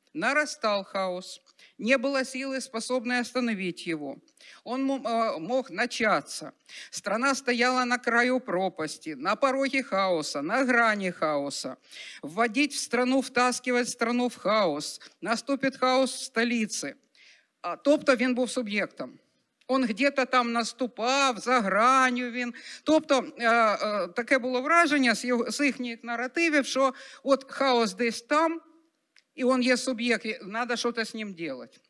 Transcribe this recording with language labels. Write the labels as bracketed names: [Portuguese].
[Ukrainian] Нарастав хаос. Не було сили, способної остановити його. [Russian] Он мог начаться. Страна стояла на краю пропасті, [Ukrainian] на порозі [Russian] хаоса, на грані хаоса. Вводить в страну, втаскивать страну в хаос. Наступить хаос [Ukrainian] в столиці. Тобто він був суб'єктом. [Russian] Он где-то там [Ukrainian] наступав, за гранью він. Тобто таке було враження з їхніх наративів, що от хаос десь там, і він є суб'єкт, треба щось з ним робити.